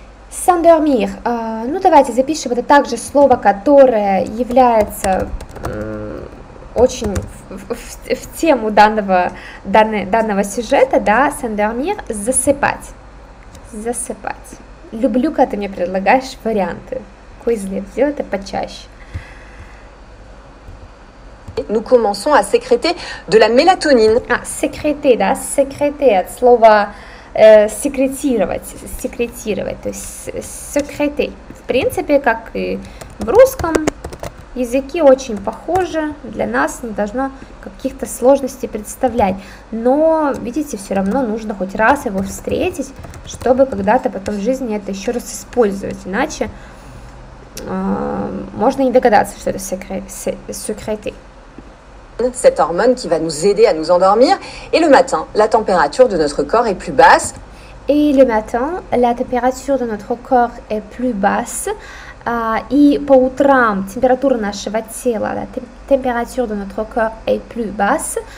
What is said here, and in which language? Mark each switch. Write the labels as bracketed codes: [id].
[ru] Сандермир. Ну, давайте запишем. Это также слово, которое является очень в тему данного сюжета. Да? Сандермир. Засыпать. Засыпать. Люблю, когда ты мне предлагаешь варианты. Quizlet, сделай это почаще. [fr] Nous commençons à sécréter de la mélatonine. Ah, sécréter, [ru] да, [fr] sécréter, [ru] от слова секретировать, секретировать, то есть секреты. В принципе, как и в русском языке, очень похоже, для нас не должно каких-то сложностей представлять. Но, видите, все равно нужно хоть раз его встретить, чтобы когда-то потом в жизни это еще раз использовать. Иначе можно не догадаться, что это секреты. [fr] Cette hormone qui va nous aider à nous endormir. Et le matin, la température de notre corps est plus basse. Et le matin, la température de notre corps est plus basse. Et [ru] по утрам, температура нашего тела, [fr] la température de notre corps est plus basse.